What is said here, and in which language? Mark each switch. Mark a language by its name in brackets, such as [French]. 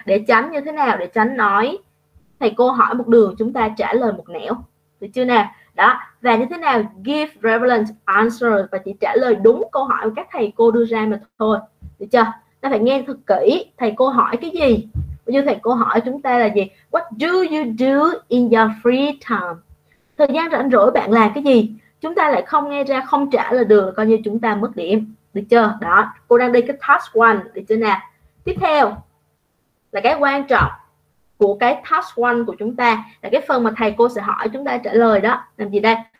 [Vietnamese] Để tránh như thế nào? Để tránh nói thầy cô hỏi một đường, chúng ta trả lời một nẻo, được chưa nào? Đó, và như thế nào? [English] Give relevant answers, [Vietnamese] và chỉ trả lời đúng câu hỏi của các thầy cô đưa ra mà thôi, được chưa? ta phải nghe thật kỹ thầy cô hỏi cái gì. Ví dụ thầy cô hỏi chúng ta là gì? [English] What do you do in your free time? [Vietnamese] Thời gian rảnh rỗi bạn làm cái gì? Chúng ta lại không nghe ra, không trả lời được, coi như chúng ta mất điểm. Được chưa? Đó, cô đang đi cái task 1, được chưa nè? Tiếp theo là cái quan trọng của cái task 1 của chúng ta là cái phần mà thầy cô sẽ hỏi chúng ta trả lời đó. Làm gì đây?